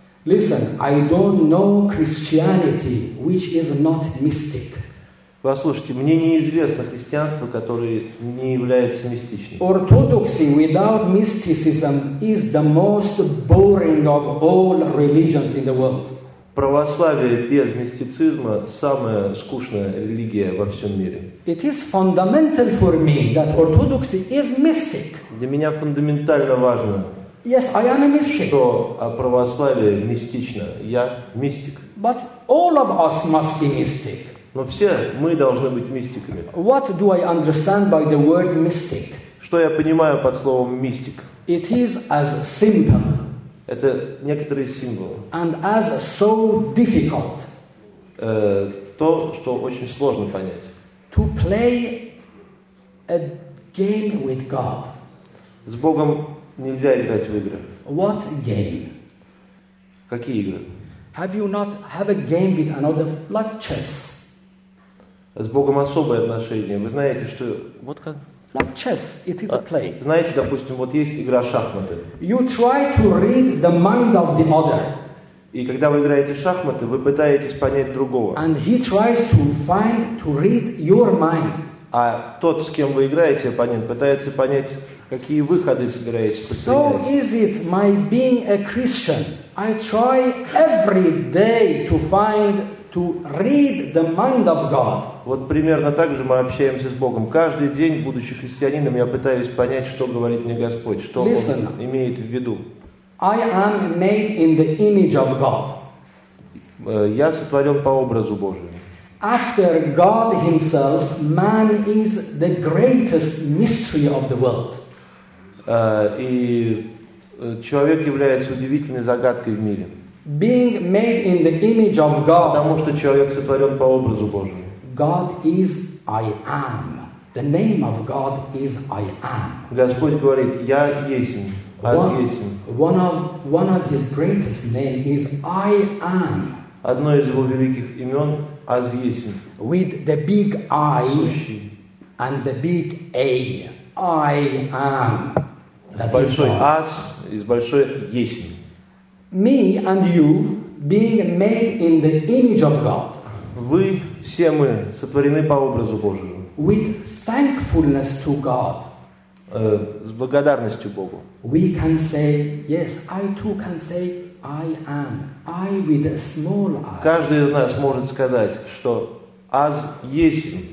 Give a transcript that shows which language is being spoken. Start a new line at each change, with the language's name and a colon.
English: Listen, I don't know Christianity, which is not mystic.
Russian: Послушайте, мне неизвестно христианство, которое не является мистичным.
English: Orthodoxy without mysticism is the most boring of all religions in the world.
Russian: Православие без мистицизма – самая скучная религия во всем мире.
English: It is fundamental for me that orthodoxy is mystic.
Russian: Для меня фундаментально важно,
English: yes, I am a mystic.
Russian: Что православие мистично. Я мистик.
English: But all of us must be mystic.
Russian: Но все мы должны быть мистиками.
English: What do I understand by the word mystic?
Russian: Что я понимаю под словом мистик?
English: It is as simple.
Russian: Это некоторые символы.
English: And as so difficult.
Russian: То, что очень сложно понять.
English: To play a game with God.
Russian: С Богом нельзя играть в игры.
English: What game?
Russian: Какие игры?
English: Have you not have a game with another, like chess?
Russian: С Богом особое отношение. Вы знаете, что вот как?
English: Like chess, it is a play.
Russian: Знаете, допустим, вот есть игра шахматы.
English: You try to read the mind of the other.
Russian: И когда вы играете в шахматы, вы пытаетесь понять другого.
English: And he tries to find to read your mind.
Russian: А тот, с кем вы играете, оппонент, пытается понять, какие выходы собираетесь предпринять.
English: So is it my being a Christian? I try every day to find to read the mind of God.
Russian: Вот примерно так же мы общаемся с Богом. Каждый день, будучи христианином, я пытаюсь понять, что говорит мне Господь, что
English: Listen,
Russian: Он имеет в виду.
English: I am made in the image of God.
Russian: Я сотворен по образу Божию.
English: After God Himself, man is the greatest mystery of the world.
Russian: И человек является удивительной загадкой в мире.
English: Being made in the image of God,
Russian: потому что человек сотворен по образу Божьему.
English: God is I am. The name of God is I am.
Russian: Господь говорит, я есмь, аз есмь.
English: One of His greatest names is I am.
Russian: Одно из его великих имен аз есмь.
English: With the big I
Russian: Сущий.
English: And the big A, I am.
Russian: С большой «ас» и с большой «есмь».
English: Me and you being made in the image of God.
Russian: Вы, все мы, сотворены по образу Божию.
English: With thankfulness to God.
Russian: С благодарностью Богу.
English: We can say, yes, I too can say, I am. I with a small I.
Russian: Каждый из нас может сказать, что «аз» есмь,